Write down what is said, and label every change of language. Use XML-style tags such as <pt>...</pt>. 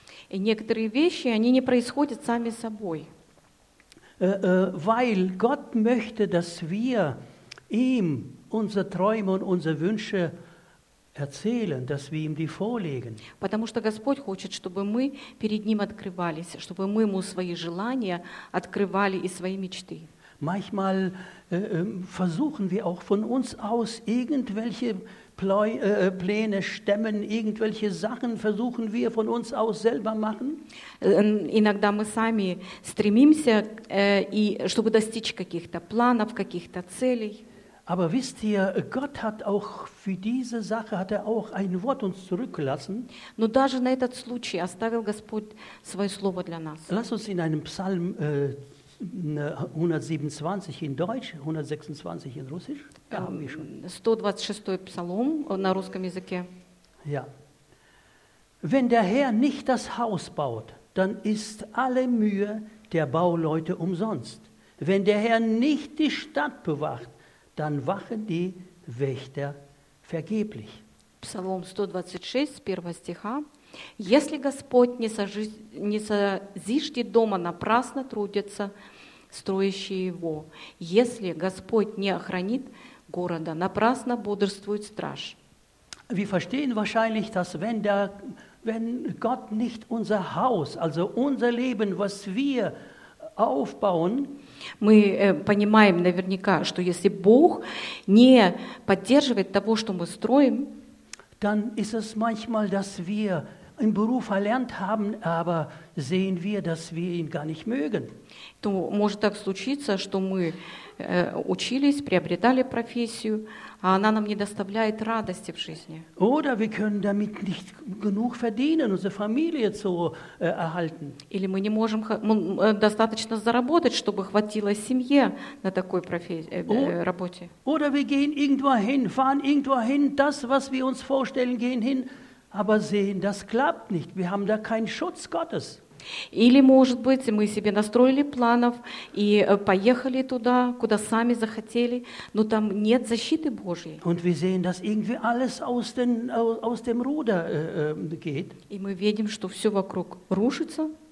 <ru>И некоторые вещи, они не происходят сами собой.</ru> <de>Weil Gott möchte, dass wir ihm unsere Träume und unsere Wünsche erzählen, dass wir ihm die vorlegen.</de> <ru>Потому что Господь хочет, чтобы мы перед ним открывались, чтобы мы ему свои желания открывали и свои мечты.</ru> <de>Manchmal versuchen wir auch von uns aus irgendwelche Pläne stemmen, irgendwelche Sachen versuchen wir von uns aus selber machen.</de> <ru>Иногда мы сами стремимся и чтобы достичь каких-то планов, каких-то целей.</ru> <de>Aber wisst ihr, Gott hat auch für diese Sache hat er auch ein Wort uns zurückgelassen.</de> <ru>Но даже на этот случай оставил Господь свое слово для нас.</ru> <de>Lass uns in einem Psalm 127 in Deutsch, 126 in Russisch. Da haben wir schon.</de> <ru>126 Psalm на русском языке.</ru> <de>Ja. Wenn der Herr nicht das Haus baut, dann ist alle Mühe der Bauleute umsonst. Wenn der Herr nicht die Stadt bewacht, dann wachen die Wächter vergeblich.</de> <ru>Псалом 126, 1 стиха. Если Господь не созиждет дома, напрасно трудятся строящие его. Если Господь не охранит города, напрасно бодрствует страж.</ru> <de>Wir verstehen wahrscheinlich, dass wenn Gott nicht unser Haus, also unser Leben, was wir aufbauen,</de> <ru>мы понимаем наверняка, что если Бог не поддерживает того, что мы строим,</ru> <de>dann ist es manchmal, dass wir einen Beruf erlernt haben, aber sehen wir, dass wir ihn gar nicht mögen.</de> <ru>То может так случиться, что мы учились, приобретали профессию, а она нам не доставляет радости в жизни.</ru> <de>Oder wir können damit nicht genug verdienen, unsere Familie zu erhalten.</de> <ru>Или мы не можем достаточно заработать, чтобы хватило семье на такой работе.</ru> <de>Oder wir gehen irgendwo hin, fahren irgendwo hin, das, was wir uns vorstellen, gehen hin, aber sehen, das klappt nicht. Wir haben da keinen Schutz Gottes.</de> <ru>Или, может быть, мы себе настроили планов и поехали туда, куда сами захотели, но там нет защиты Божьей.</ru> <de>Und wir sehen, dass irgendwie alles aus den, aus dem Ruder, geht.</de> <ru>И мы видим, что все вокруг рушится.</ru>